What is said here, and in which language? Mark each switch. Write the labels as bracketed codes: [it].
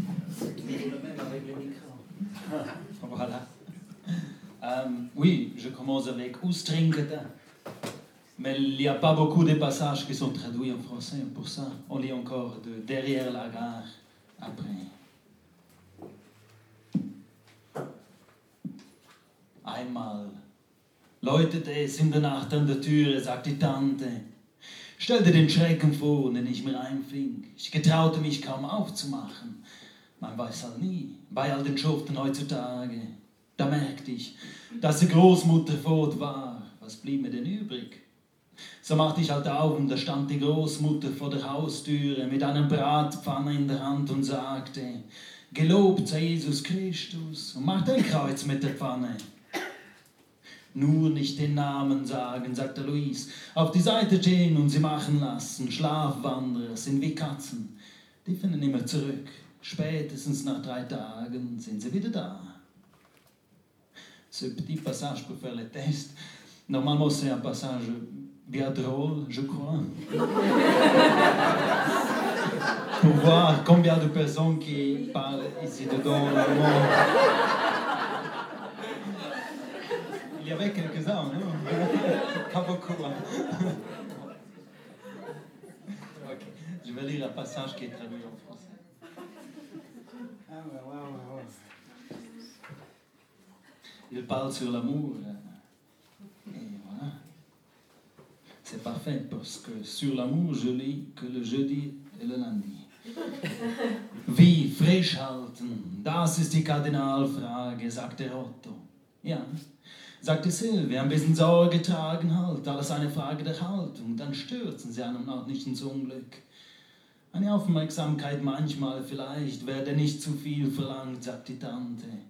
[fr] C'est toujours le même avec le micro. Voilà. Oui, je commence avec Ustrinkata. Mais il n'y a pas beaucoup de passages qui sont traduits en français. Pour ça, on lit encore de derrière la gare après. [de] Einmal läutete es in der Nacht an der Türe, sagt die Tante. Stell dir den Schrecken vor, den ich mir einfing. Ich getraute mich kaum aufzumachen. Man weiß halt nie, bei all den Schuften heutzutage. Da merkte ich, dass die Großmutter fort war. Was blieb mir denn übrig? So machte ich halt auf und da stand die Großmutter vor der Haustüre mit einer Bratpfanne in der Hand und sagte, gelobt sei Jesus Christus und mach dein Kreuz mit der Pfanne. Nur nicht den Namen sagen, sagte Louise. Auf die Seite gehen und sie machen lassen. Schlafwanderer sind wie Katzen. Die finden immer zurück. Spätestens nach 3 Tagen sind sie wieder da. [fr] Ce petit passage pour faire le test. Normalement, c'est un passage bien drôle, je crois. Pour voir combien de personnes qui parlent ici dedans le monde. Il y avait quelques-uns, non? Pas beaucoup. Ok, je vais lire un passage qui est traduit en français. Il parle sur l'amour. Et voilà. C'est parfait parce que sur l'amour, je lis que le jeudi et le lundi. [de] Wie frisch halten? Das ist die Kardinalfrage, sagte Otto. Ja, sagte Sylvie, ein bisschen Sorge tragen halt. Alles eine Frage der Haltung. Dann stürzen sie einem noch nicht ins Unglück. Eine Aufmerksamkeit manchmal vielleicht, werde nicht zu viel verlangt, sagt die Tante.